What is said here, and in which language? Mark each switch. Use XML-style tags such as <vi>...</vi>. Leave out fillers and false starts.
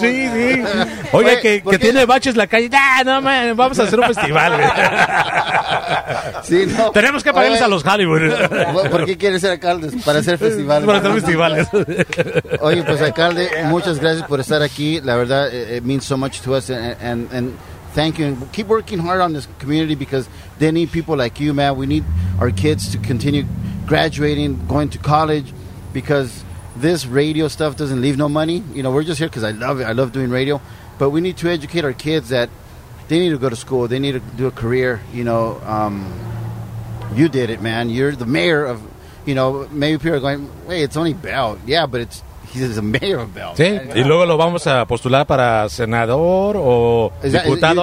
<es>Sí, sí. Oye, que tiene baches la calle. ¡Ah, no, man! Vamos a hacer un festival, güey. Sí, ¿no? Tenemos que pagarles a los Hollywood. ¿Por qué quieres ser alcalde? Para hacer festivales. Para hacer festivales. Oye, pues, alcalde, muchas gracias por estar aquí.</es> <en>La verdad, it means so much to us and thank you, and keep working hard on this community because they need people like you, man. We need our kids to continue graduating, going to college, because this radio stuff doesn't leave no money. You know, we're just here because I love it. I love doing radio. But we need to educate our kids that they need to go to school. They need to do a career. You know, you did it, man. You're the mayor of, you know, maybe people are going, hey, it's only Bell. Yeah, but it's. He's a mayor of Bell.</en> <es>Sí, yeah. Y luego lo vamos a postular para senador o diputado.</es>